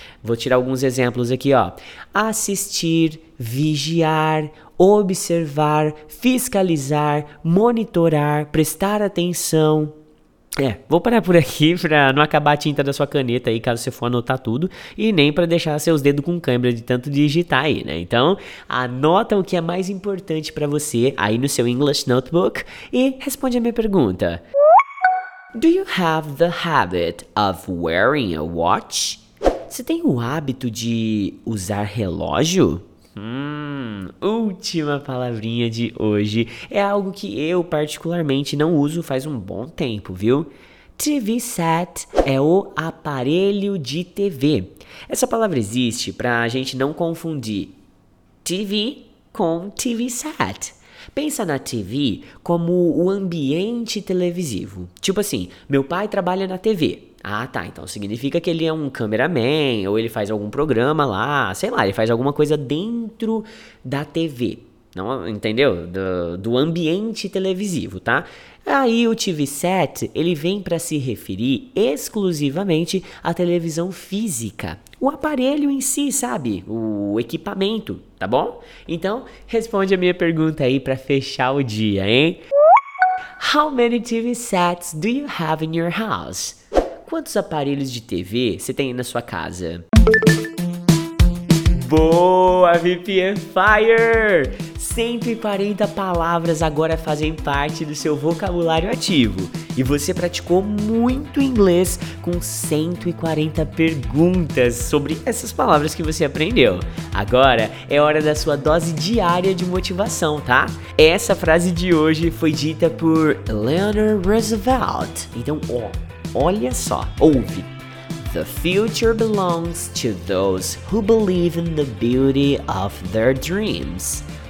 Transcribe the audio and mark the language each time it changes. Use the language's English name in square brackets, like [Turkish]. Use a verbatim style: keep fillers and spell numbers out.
[Portuguese] Vou tirar alguns exemplos aqui, ó. Assistir, vigiar, observar, fiscalizar, monitorar, prestar atenção. É, vou parar por aqui pra não acabar a tinta da sua caneta aí, caso você for anotar tudo, e nem pra deixar seus dedos com cãibra de tanto digitar aí, né? Então, anota o que é mais importante pra você aí no seu English Notebook e responde a minha pergunta. [English] Do you have the habit of wearing a watch? [Portuguese] Você tem o hábito de usar relógio? Hum, última palavrinha de hoje é algo que eu particularmente não uso faz um bom tempo, viu? T V set é o aparelho de T V. Essa palavra existe pra gente não confundir T V com T V set. Pensa na T V como o ambiente televisivo. Tipo assim, meu pai trabalha na T V. Ah, tá, então significa que ele é um cameraman, ou ele faz algum programa lá, sei lá, ele faz alguma coisa dentro da T V, não, entendeu? Do, do ambiente televisivo, tá? Aí o T V set, ele vem para se referir exclusivamente à televisão física, o aparelho em si, sabe? O equipamento, tá bom? Então, responde a minha pergunta aí para fechar o dia, hein? [English] How many T V sets do you have in your house? [Portuguese] Quantos aparelhos de T V você tem aí na sua casa? Boa, V P N Fire! cento e quarenta palavras agora fazem parte do seu vocabulário ativo. E você praticou muito inglês com cento e quarenta perguntas sobre essas palavras que você aprendeu. Agora é hora da sua dose diária de motivação, tá? Essa frase de hoje foi dita por Eleanor Roosevelt. Então, ó... Oh, olha só, ouve. [English] The future belongs to those who believe in the beauty of their dreams.